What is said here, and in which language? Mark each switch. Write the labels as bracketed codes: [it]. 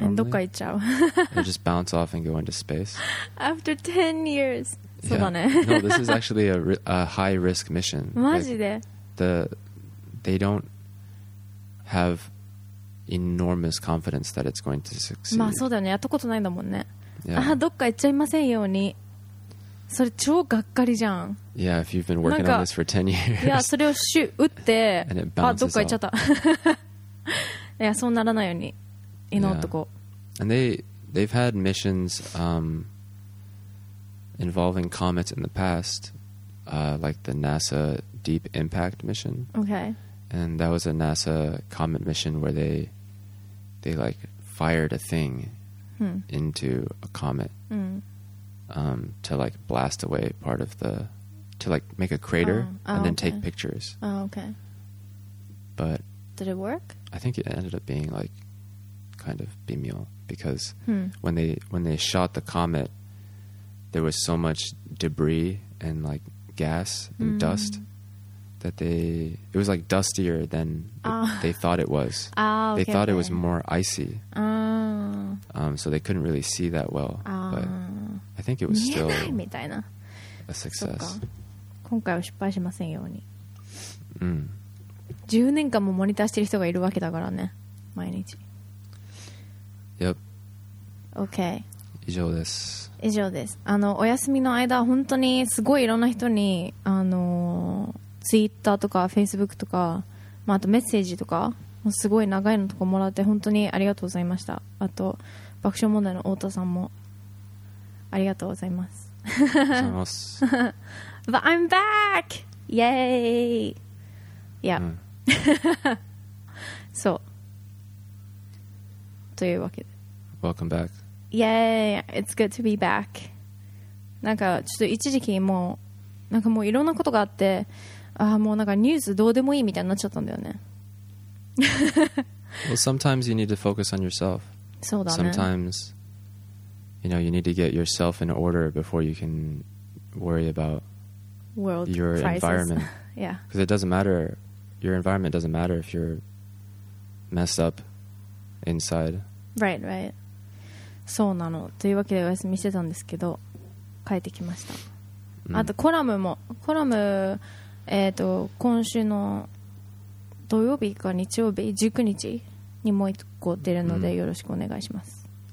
[en] normally. It'll just bounce off and go into space. After 10 years. Yeah. No, this is actually a high-risk mission. [ja] マジで?Like, [en] they don't have enormous confidence that it's going to succeed. [ja] まあそうだよね。やったことないんだもんね。Yeah. あ、どっか行っちゃいませんように。それ超がっかりじゃん。 [en] Yeah, if you've been working on this for 10 years. [ja] いや、それをシュッ打って、あ、どっか行っちゃった。いや、そうならないように祈っとこう。 [en] And they've had missions involving comets in the past, like the NASA Deep Impact mission. Okay. And that was a NASA comet mission where they like fired a thing into a comet. Mm. To like blast away part of the, to like make a crater and then take pictures. Oh, okay. But did it work? I think it ended up being like kind of bimyo because when they shot the comet, there was so much debris and like gas and dust that it was like dustier than they thought it was. Oh, okay, they thought it was more icy. Oh. So they couldn't really see that well. Oh. But I think it was still a success. [ja] 今回は失敗しませんように。うん。 10年間もモニターしてる人がいるわけだからね。毎日。 [en] Yep. Okay. [ja] 以上です。以上です。あの、お休みの間、本当にすごいいろんな人に、あの、Twitter とか Facebook とか、まあ、あとメッセージとか、もうすごい長いのとかもらって、本当にありがとうございました。あと、爆笑問題の太田さんも。ありがとうございます。 [en] But I'm back! Yay! Yeah. So. [ja] というわけで。 [en] Welcome back. Yay! It's good to be back. [ja] なんかちょっと一時期もう、なんかもういろんなことがあって、ああもうなんかニュースどうでもいいみたいになっちゃったんだよね。 [en] Well, sometimes you need to focus on yourself. [ja] そうだね。 [en] Sometimes. You know, you need to get yourself in order before you can worry about world your prizes. Environment. Yeah. Because it doesn't matter. Your environment doesn't matter if you're messed up inside. Right, right. [ja] そうなの。というわけでお休みしてたんですけど、帰ってきました。あとコラムも、コラム、今週の土曜日か日曜日、19日にもう一個出るので、よろしくお願いします。